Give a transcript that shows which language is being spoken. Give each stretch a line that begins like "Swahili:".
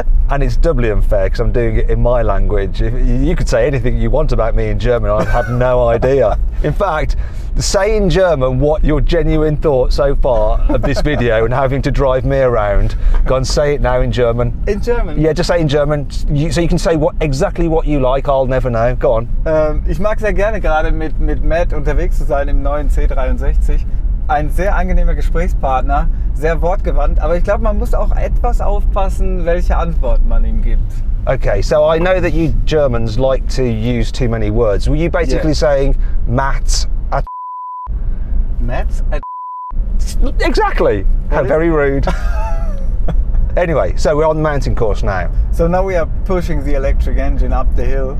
English: And it's doubly unfair because I'm doing it in my language. If you could say anything you want about me in German, I'd have no idea. In fact, say in German what your genuine thought so far of this video and having to drive me around. Go and say it now in German. In German? Yeah, just say in German. So you can say exactly what you like. I'll never know. Go on.
German: Ich mag sehr gerne gerade mit Matt unterwegs zu sein im neuen C63. ein sehr angenehmer Gesprächspartner, sehr wortgewandt, aber ich glaube, man muss auch etwas aufpassen, welche Antwort man ihm gibt.
English: Okay, so I know that you Germans like to use too many words. Were you basically saying Matt's a t-? Matt's a t-? Exactly! How very rude. Anyway, so we're on the mountain course now. So now we are pushing the electric engine up the hill.